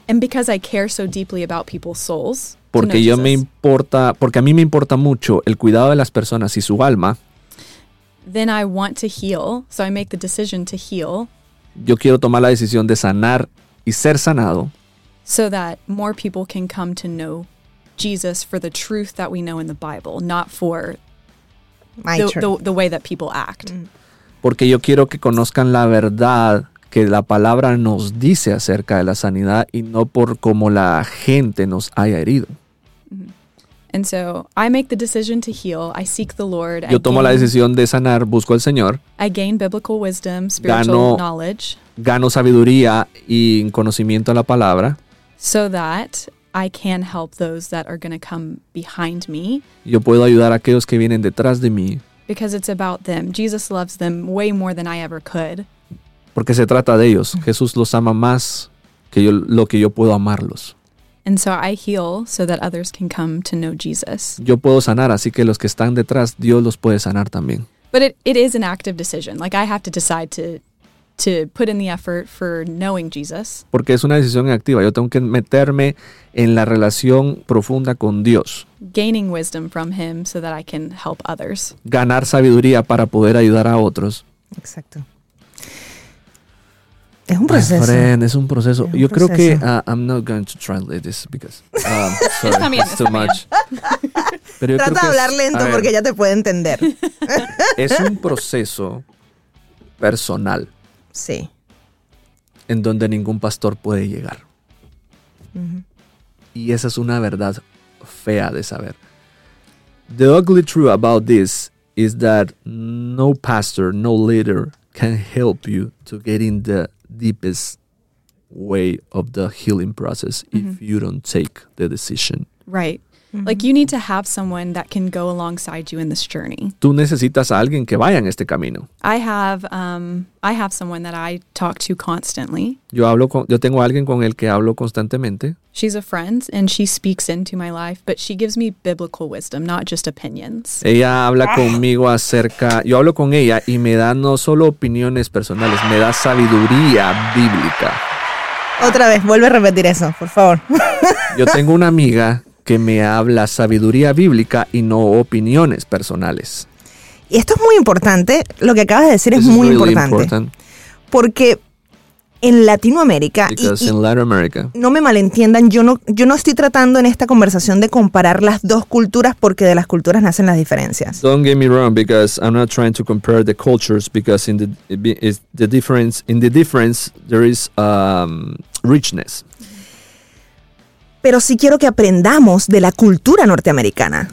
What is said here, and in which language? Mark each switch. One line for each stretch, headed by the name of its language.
English: And because I care so deeply about people's souls.
Spanish: Porque
English: to know
Spanish: yo
English: Jesus,
Spanish: me importa, porque a mí me importa mucho el cuidado de las personas y su alma.
English: Then I want to heal, so I make the decision to heal.
Spanish: Yo quiero tomar la decisión de sanar y ser sanado.
English: So that more people can come to know Jesus for the truth that we know in the Bible, not for the way that people act.
Spanish: Porque yo quiero que conozcan la verdad que la palabra nos dice acerca de la sanidad y no por cómo la gente nos haya herido. Mm-hmm.
English: And so I make the decision to heal. I seek the Lord.
Spanish: Yo tomo la decisión de sanar, busco al Señor.
English: I gain biblical wisdom, spiritual knowledge.
Spanish: Gano sabiduría y conocimiento a la palabra.
English: So that I can help those that are going to come behind me.
Spanish: Yo puedo ayudar a aquellos que vienen detrás de mí.
English: Because it's about them. Jesus loves them way more than I ever could.
Spanish: Porque se trata de ellos. Jesús los ama más que yo, lo que yo puedo amarlos.
English: And so I heal so that others can come to know Jesus.
Spanish: Yo puedo sanar, así que los que están detrás, Dios los puede sanar también.
English: But it is an active decision. Like I have to decide to put in the effort for knowing Jesus.
Spanish: Porque es una decisión activa. Yo tengo que meterme en la relación profunda con Dios.
English: Gaining wisdom from him so that I can help others.
Spanish: Ganar sabiduría para poder ayudar a otros. Exacto. Es un proceso.
English: My friend,
Spanish: es un proceso. Yo creo que
English: I'm not going to translate this because sorry,
Spanish: está bien,
English: it's too much.
Spanish: Pero trata de hablar lento porque ya te puede entender. Es un proceso personal. Sí. En donde ningún pastor puede llegar. Uh-huh. Y esa es una verdad fea de saber.
English: The ugly truth about this is that no pastor, no leader can help you to get in the deepest way of the healing process, mm-hmm, if you don't take the decision. Right. Mm-hmm. Like, you need to have someone that can go alongside you in this journey.
Spanish: Tú necesitas a alguien que vaya en este camino.
English: I have someone that I talk to constantly.
Spanish: Yo tengo a alguien con el que hablo constantemente.
English: She's a friend, and she speaks into my life, but she gives me biblical wisdom, not just opinions.
Spanish: Ella habla conmigo acerca... Yo hablo con ella y me da no solo opiniones personales, me da sabiduría bíblica. Otra vez, vuelve a repetir eso, por favor. Yo tengo una amiga... que me habla sabiduría bíblica y no opiniones personales. Y esto es muy importante. Lo que acabas de decir es muy importante. Porque en Latinoamérica... No me malentiendan. Yo no estoy tratando en esta conversación de comparar las dos culturas porque de las culturas nacen las diferencias.
English: Don't get me wrong because I'm not trying to compare the cultures because in the difference there is richness.
Spanish: Pero sí quiero que aprendamos de la cultura norteamericana.